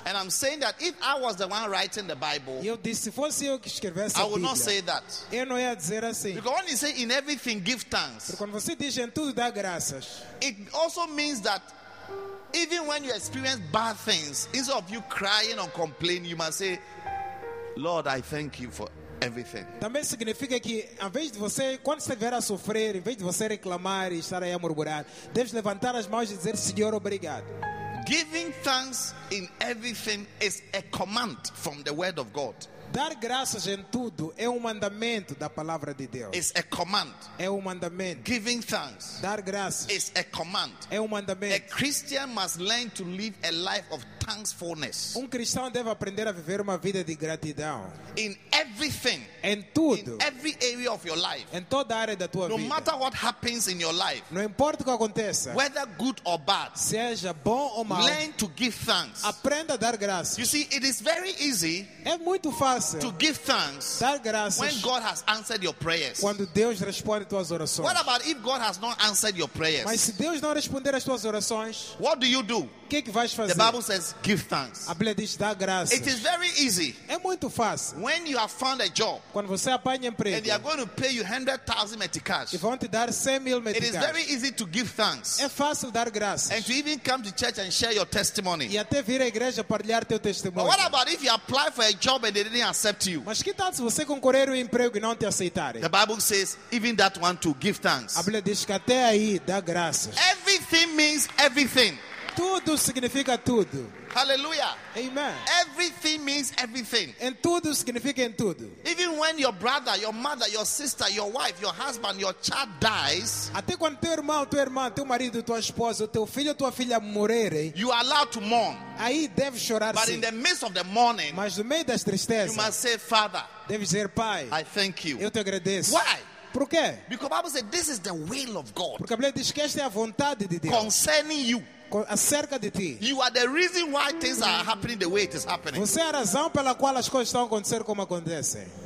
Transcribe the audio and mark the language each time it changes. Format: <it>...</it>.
<en>And I'm saying that if I was the one writing the Bible.</en> <pt>Eu disse, se fosse eu que escrevesse a Bíblia.</pt> <en>I would not say that.</en> <pt>Eu não ia dizer assim.</pt> <en>Because when you say in everything give thanks.</en> <pt>Porque quando você diz em tudo dá graças.</pt> <en>It also means that even when you experience bad things, instead of you crying or complaining, you must say, Lord, I thank you for everything.</en> <pt>Também significa que, ao invés de você, quando estiver a sofrer, em vez de você reclamar e estar aí a murmurar, deves levantar as mãos e dizer, Senhor, obrigado.</pt> <en>Giving thanks in everything is a command from the Word of God.</en> <pt>Dar graças em tudo é mandamento da palavra de Deus.</pt> <en>It's a command.</en> <pt>É mandamento.</pt> <en>Giving thanks.</en> <pt>Dar graças.</pt> <en>It's a command.</en> <pt>É mandamento.</pt> <en>A Christian must learn to live a life of thankfulness.</en> <pt>Cristão deve aprender a viver uma vida de gratidão.</pt> <en>In everything.</en> <pt>Em tudo.</pt> <en>In every area of your life.</en> <pt>Em toda a área da tua no vida.</pt> <en>No matter what happens in your life.</en> <pt>Não importa o que aconteça.</pt> <en>Whether good or bad.</en> <pt>Seja bom ou mal.</pt> <en>Learn to give thanks.</en> <pt>Aprenda a dar graças.</pt> <en>You see, it is very easy.</en> <pt>É muito fácil.</pt> <en>To give thanks when God has answered your prayers.</en> <pt>Quando Deus responde tuas orações.</pt> <en>What about if God has not answered your prayers?</en> <pt>Mas se Deus não responder as tuas orações,</pt> <en>what do you do?</en> <pt>Que vais fazer?</pt> <en>The Bible says, give thanks.</en> <pt>A Bíblia diz, dá graças.</pt> <en>It is very easy.</en> <pt>É muito fácil.</pt> <en>When you have found a job,</en> <pt>quando você apanha emprego,</pt> <en>and they are going to pay you 100,000 meticais,</en> <pt>e vão te dar 100,000 meticais,</pt> <en>it is very easy to give thanks.</en> <pt>É fácil dar graças.</pt> <en>And to even come to church and share your testimony.</en> <pt>E até vir à igreja partilhar teu testemunho.</pt> <en>But what about if you apply for a job and they didn't accept you?</en> <pt>Mas que tal se você concorrer um emprego e não te aceitarem?</pt> <en>The Bible says, even that one to give thanks.</en> <pt>A Bíblia diz que até aí dá graças.</pt> <en>Everything means everything.</en> <pt>Tudo significa tudo.</pt> <en>Hallelujah. Amen. Everything means everything.</en> <pt>Em tudo significa em tudo.</pt> <en>Even when your brother, your mother, your sister, your wife, your husband, your child dies,</en> <pt>até quando teu irmão, tua irmã, teu marido, tua esposa, teu filho, tua filha morrerem,</pt> <en>you are allowed to mourn.</en> <pt>Aí deve chorar.</pt> <en>But</en> <pt>sim.</pt> <en>In the midst of the mourning,</en> <pt>mas no meio das tristezas,</pt> <en>you must say, Father,</en> <pt>deve dizer, Pai,</pt> <en>I thank you.</en> <pt>Eu te agradeço.</pt> <en>Why?</en> <pt>Por quê?</pt> <en>Because the Bible says this is the will of God.</en> <pt>Porque a Bíblia diz que esta é a vontade de Deus.</pt> <en>Concerning you.</en> <pt>Acerca de ti.</pt> <en>You are the reason why things are happening the way it is happening.</en> <pt>Você é a razão pela qual as coisas estão acontecendo como acontecem.</pt>